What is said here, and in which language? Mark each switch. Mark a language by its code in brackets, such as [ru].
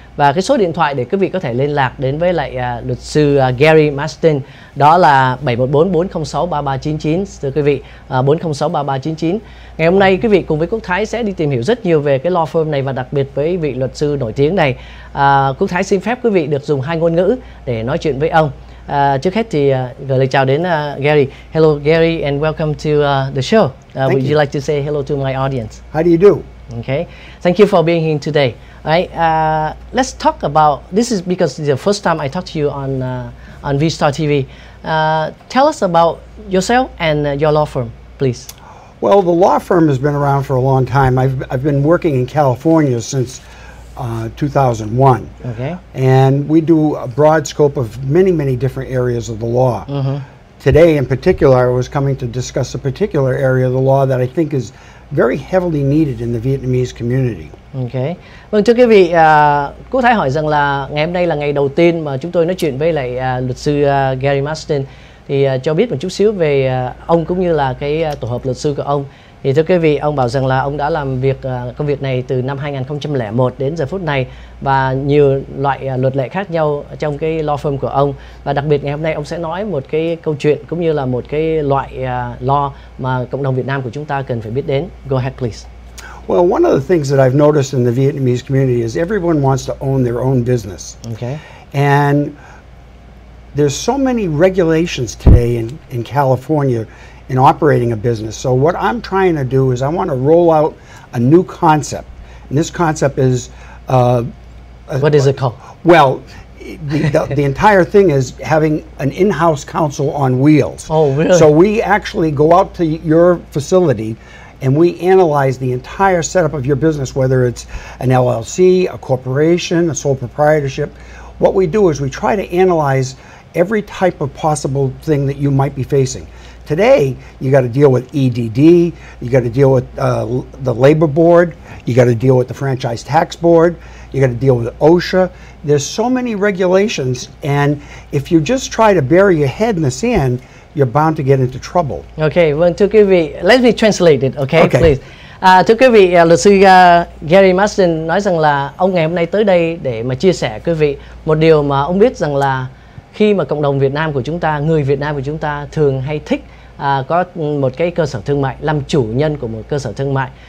[vi] Và cái số điện thoại để quý vị có thể liên lạc đến với lại luật sư Gary Mastin đó là 714-406-3399, thưa quý vị, 406-3399. Ngày hôm nay quý vị cùng với Quốc Thái sẽ đi tìm hiểu rất nhiều về cái law firm này và đặc biệt với vị luật sư nổi tiếng này. Quốc Thái xin phép quý vị được dùng hai ngôn ngữ để nói chuyện với ông. Trước hết thì gửi lời chào đến Gary. [en] Hello Gary and welcome to the show. Would you like to say hello to my audience? How do you do? Okay. Thank you for being here today. All right. Let's talk about this is because this is the first time I talk to you on VStar TV. Tell us about yourself and your law firm, please. Well, the law firm has been around for a long time. I've been working in California since 2001. Okay. And we do a broad scope of many, many different areas of the law. Mm-hmm. Today, in particular, I was coming to discuss a particular area of the law that I think is very heavily needed in the Vietnamese community. Okay. [vi] Vâng, thưa quý vị, Quốc Thái hỏi rằng là ngày hôm nay là ngày đầu tiên mà chúng tôi nói chuyện với lại luật sư Gary Mastin. Thì cho biết một chút xíu về ông cũng như là cái tổ hợp luật sư của ông. Thì thưa quý vị, ông bảo rằng là ông đã làm việc công việc này từ năm 2001 đến giờ phút này và nhiều loại luật lệ khác nhau trong cái law firm của ông. Và đặc biệt ngày hôm nay ông sẽ nói một cái câu chuyện cũng như là một cái loại law mà cộng đồng Việt Nam của chúng ta cần phải biết đến. [en] Go ahead please. Well, one of the things that I've noticed in the Vietnamese community is everyone wants to own their own business. Okay. And there's so many regulations today in California in operating a business. So what I'm trying to do is I want to roll out a new concept. And this concept is... What is it called? Well, the entire thing is having an in-house counsel on wheels. Oh, really? So we actually go out to your facility and we analyze the entire setup of your business, whether it's an LLC, a corporation, a sole proprietorship. What we do is we try to analyze every type of possible thing that you might be facing. Today, you got to deal with EDD, you got to deal with the labor board, you got to deal with the franchise tax board, you got to deal with OSHA. There's so many regulations, and if you just try to bury your head in the sand, you're bound to get into trouble. Okay, well, [vi] thưa quý vị, [en] let me translate it, okay, okay. Please. [vi] Thưa quý vị, luật sư Gary Mastin nói rằng là ông ngày hôm nay tới đây để mà chia sẻ quý vị một điều mà ông biết rằng là khi mà cộng đồng Việt Nam của chúng ta, người Việt Nam của chúng ta thường hay thích có một cái cơ sở thương mại, làm chủ nhân của một cơ sở thương mại.